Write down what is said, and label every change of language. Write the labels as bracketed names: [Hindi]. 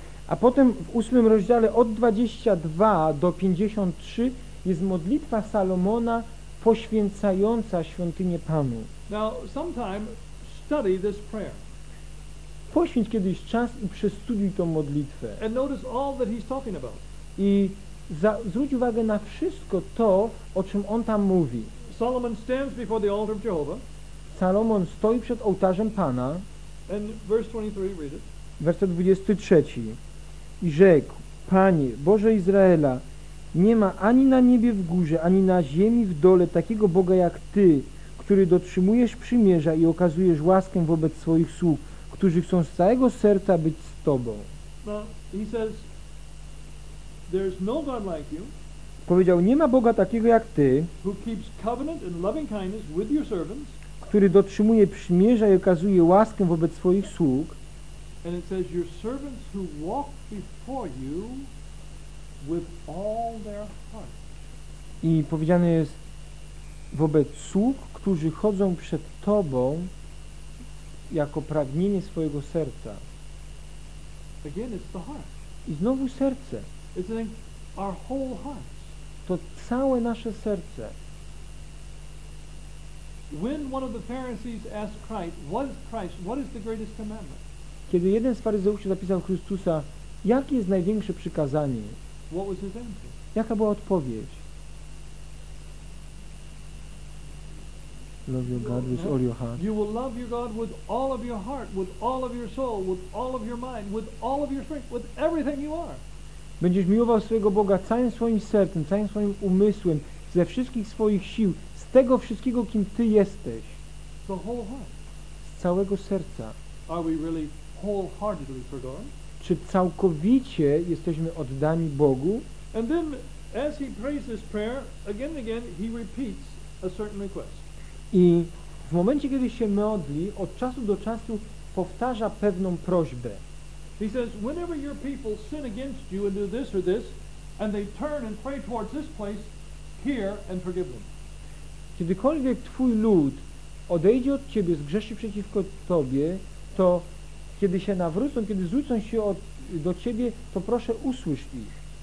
[Polish] A potem w 8 rozdziale od 22 do 53 jest modlitwa Salomona poświęcająca świątynię Panu. [English] Now, sometime study this prayer. [Polish] Poświęć kiedyś czas i przestudiuj tą modlitwę. [English] And notice all that he's talking about. [Polish] I zwróć uwagę na wszystko to, o czym on tam mówi. [English] Solomon stands before the altar of Jehovah. [Polish] Salomon stoi przed ołtarzem Pana. [English] And verse 23, read it. [Polish] Werset 23. I rzekł: Panie, Boże Izraela, nie ma ani na niebie w górze, ani na ziemi w dole takiego Boga jak Ty, który dotrzymujesz przymierza i okazujesz łaskę wobec swoich sług, którzy chcą z całego serca być z Tobą. [English] Well, he says, there's no God like you. [Polish] Powiedział, nie ma Boga takiego jak Ty, [English] who keeps covenant and loving kindness with your servants, [Polish] który dotrzymuje przymierza i okazuje łaskę wobec swoich sług. [English] And it says, your servants who walk before you with all their heart. [Polish] I powiedziane jest, wobec sług, którzy chodzą przed Tobą jako pragnienie swojego serca. [English] Again, it's the heart. [Polish] I znowu serce. [English] It's like our whole heart. [Polish] To całe nasze serce. [English] When one of the Pharisees asked Christ, what is the greatest commandment? [Polish] Kiedy jeden z faryzeuszy zapytał Chrystusa, jakie jest największe przykazanie? [English] What was his answer? [Polish] Jaka była odpowiedź? [English] Love your God with all your heart. You will love your God with all of your heart, with all of your soul, with all of your mind, with all of your strength, with everything you are. [Polish] Będziesz miłował swojego Boga całym swoim sercem, całym swoim umysłem, ze wszystkich swoich sił, z tego wszystkiego, kim Ty jesteś. [English] The whole heart. [Polish] Z całego serca. [English] Are we really wholeheartedly for God? [Polish] Czy całkowicie jesteśmy oddani Bogu? [English] And then, as he prays this prayer, again and again, he repeats a certain request. [Polish] I w momencie, kiedy się modli, od czasu do czasu powtarza pewną prośbę. [English] He says, whenever your people sin against you and do this or this, and they turn and pray towards this place, hear and forgive them. [Polish] Kiedykolwiek twój lud odejdzie od ciebie, zgrzeszy przeciwko tobie, to kiedy się nawrócą, kiedy zwrócą się do ciebie, to proszę usłysz ich.